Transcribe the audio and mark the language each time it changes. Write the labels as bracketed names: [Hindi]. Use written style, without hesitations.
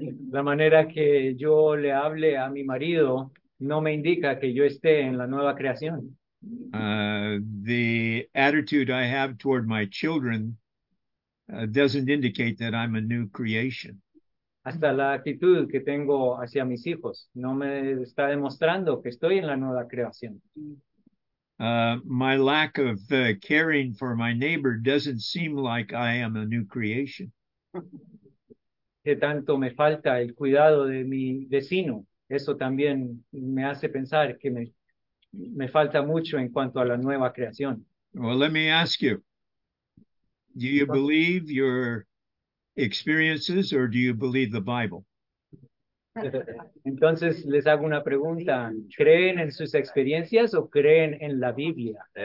[Spanish] La manera que yo le hable a mi marido no me indica que yo esté en la nueva creación. [English] The attitude I have toward my children doesn't indicate that I'm a new creation. [Spanish] Hasta la actitud que tengo hacia mis hijos no me está demostrando que estoy en la nueva creación. [English] My lack of caring for my neighbor doesn't seem like I am a new creation. [Spanish] Que tanto me falta el cuidado de mi vecino, eso también me hace pensar que me falta mucho en cuanto a la nueva creación. [English] Well, let me ask you, do you believe your experiences or do you believe the Bible? [Spanish] Entonces les hago una pregunta, ¿creen en sus experiencias o creen en la Biblia?